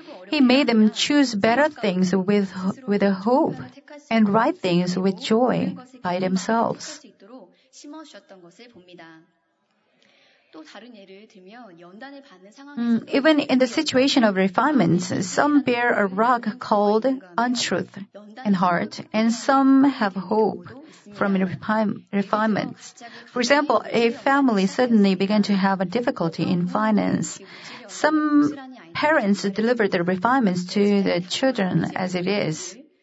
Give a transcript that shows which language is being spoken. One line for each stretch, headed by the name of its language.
English: He made them choose better things with a hope and right things with joy by themselves.
Korean: 심어주셨던 것을 봅니다. 또 다른 예를 들면 연단을 받는 상황.
English: Even in the situation of refinement, some bear a rock called untruth and heart, and some have hope from refinement. For example, a family suddenly began to have a difficulty in finance. Some parents delivered their refinements to the children as it is.